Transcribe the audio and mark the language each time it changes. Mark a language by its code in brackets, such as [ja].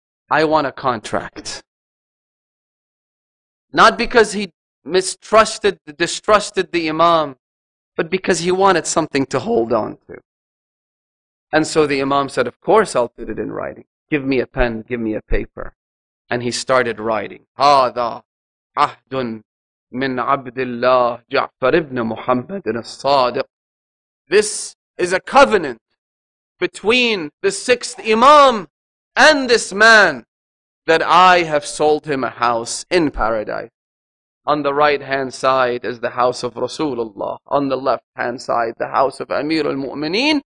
[en] I want a contract. Not because he distrusted the Imam, but because he wanted something to hold on to. And so the Imam said, of course I'll put it in writing. Give me a pen, give me a paper. And he started writing. [ar] هذا عهد من عبد الله جعفر ابن محمد الصادق. [en] This is a covenant between the sixth Imam and this man that I have sold him a house in paradise. On the right hand side is the house of Rasulullah. On the left hand side, the house of Amir al-Mu'mineen.